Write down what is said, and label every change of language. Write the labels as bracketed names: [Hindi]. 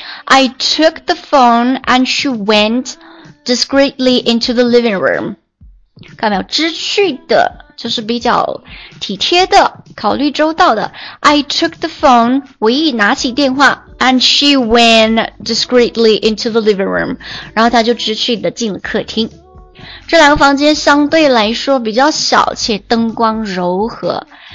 [English] I took the phone and she went discreetly into the living room. [Chinese] 看到没有，知趣的就是比较体贴的，考虑周到的。 [English] I took the phone, [Chinese] 我一拿起电话， [English] and she went discreetly into the living room. [Chinese] 然后他就知趣的进了客厅。这两个房间相对来说比较小，且灯光柔和。